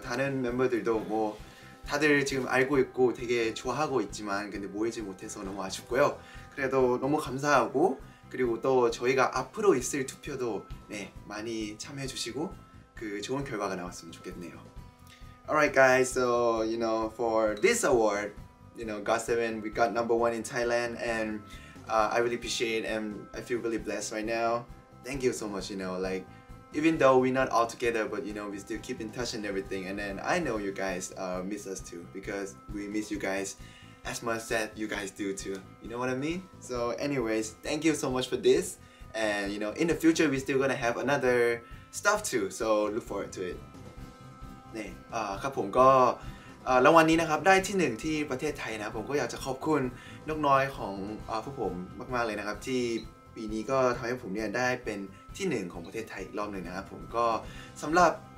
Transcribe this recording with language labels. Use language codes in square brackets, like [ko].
[ko] 다른 멤버들도 뭐 다들 지금 알고 있고 되게 좋아하고 있지만 근데 모이지 못해서 너무 아쉽고요. 그래도 너무 감사하고 그리고 또 저희가 앞으로 있을 투표도 네, 많이 참여해 주시고 그 좋은 결과가 나왔으면 좋겠네요. [en] Alright guys, so you know for this award, you know GOT7 we got number one in Thailand and I really appreciate and I feel really blessed right now. Thank you so much, you know, like even though we're not all together but you know we still keep in touch and everything and then I know you guys miss us too because we miss you guys as much as you guys do too. You know what I mean? So anyways, thank you so much for this and you know in the future we're still gonna have anotherStuff too, so look forward to it. [th] นี่ครับผมก็รางวัลนี้นะครับได้ที่หนึ่งที่ประเทศไทยนะผมก็อยากจะขอบคุณนกน้อยของผู้ผมมากมากเลยนะครับที่ปีนี้ก็ทำให้ผมเนี่ยได้เป็นที่หนึ่งของประเทศไทยรอบหนึ่งนะครับผมก็สำหรับ